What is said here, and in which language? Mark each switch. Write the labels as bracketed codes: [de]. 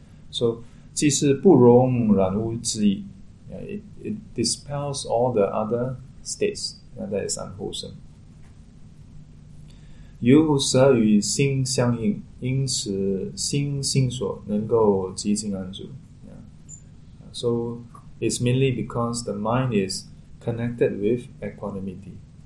[zh] So, 即是不容染污之意, [en] it dispels all the other states that is unwholesome. [zh] 由舌与心相应。因此心心所能够极静安住。 [en] So it's mainly because the mind is connected with equanimity.